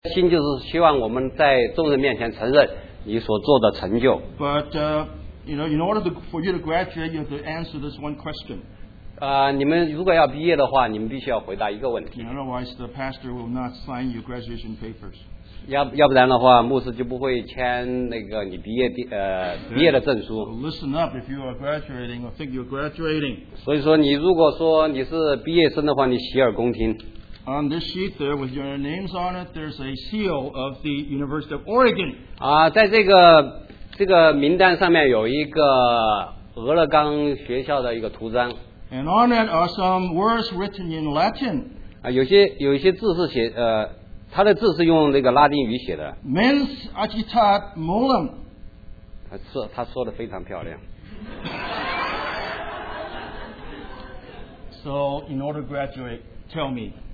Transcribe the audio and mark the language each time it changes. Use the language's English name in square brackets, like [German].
[Chinese] 心就是希望我们在众人面前承认你所做的成就。 [English] But you know, in order to, for you to graduate, you have to answer this one question. [Chinese] 你们如果要毕业的话，你们必须要回答一个问题。 [English] Otherwise, the pastor will not sign your graduation papers. [Chinese] 要不然的话，牧师就不会签那个你毕业的毕业的证书。 [English] So listen up, if you are graduating or think you're graduating. [Chinese] 所以说，你如果说你是毕业生的话，你洗耳恭听。 [English] On this sheet there, with your names on it, there's a seal of the University of Oregon. [Chinese] 在这个名单上面有一个俄勒冈学校的一个图章。 [English] And on it are some words written in Latin. [Chinese] 有些字是写它的字是用那个拉丁语写的。 [Latin] Mens agitat molum. [Chinese] 他说的非常漂亮。 [English] So in order to graduate, tell me.